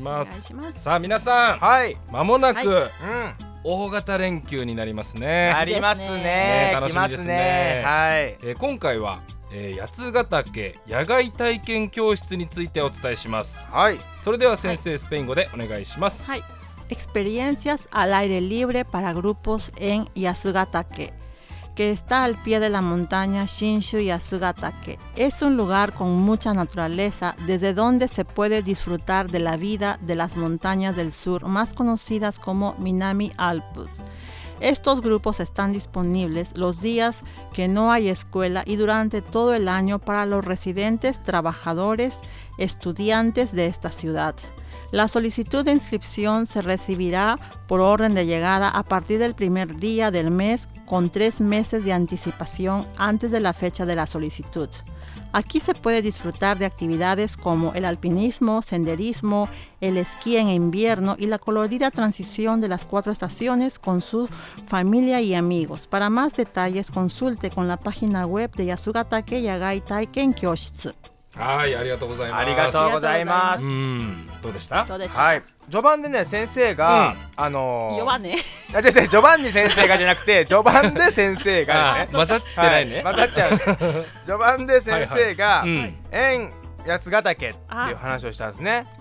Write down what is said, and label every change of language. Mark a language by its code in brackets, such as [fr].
[ja] お願いします。さあ皆さん、はい、間もなく、はい、うん、大型連休になりますね。なりますね。楽しみですね。はい。今回は、八ヶ岳野外体験教室についてお伝えします。はい。それでは先生、はい、スペイン語でお願いします。はい。 [es] Experiencias al aire libre para grupos en Yasugatake, que está al pie de la montaña Shinshu Yasugatake. Es un lugar con mucha naturaleza, desde donde se puede disfrutar de la vida de las montañas del sur, más conocidas como Minami Alpus. Estos grupos están disponibles los días que no hay escuela y durante todo el año para los residentes, trabajadores, estudiantes de esta ciudad. La solicitud de inscripción se recibirá por orden de llegada a partir del primer día del mes con 3 meses de anticipación antes de la fecha de la solicitud. Aquí se puede disfrutar de actividades como el alpinismo, senderismo, el esquí en invierno y la colorida transición de las 4 estaciones con su familia y amigos. Para más detalles, consulte con la página web de Yasugatake Yagai Taiken Kyoshitsu. [ja] はい、ありがとうございます。ありがとうございます。どうでした？どうでした？はい、序盤でね、先生が、うん、弱ね、あ、違う、序盤に先生がじゃなくて序盤で先生が、ね、混ざってないね、はい、混ざっちゃう序盤で先生が、はいはい、うん、八ヶ岳っていう話をしたんですね。